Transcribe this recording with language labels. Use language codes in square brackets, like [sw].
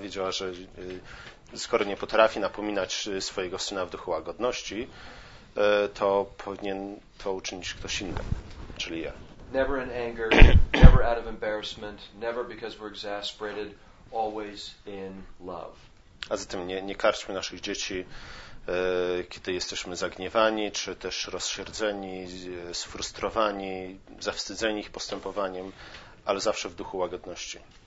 [pl] Wiedziała, że skoro nie potrafi napominać swojego syna w duchu łagodności, to powinien to uczynić ktoś inny, czyli ja. [en] Never in anger, never out of embarrassment, never because we're exasperated, always in love. [pl] A zatem nie karczmy naszych dzieci, kiedy jesteśmy zagniewani, czy też rozsierdzeni, sfrustrowani, zawstydzeni ich postępowaniem, ale zawsze w duchu łagodności.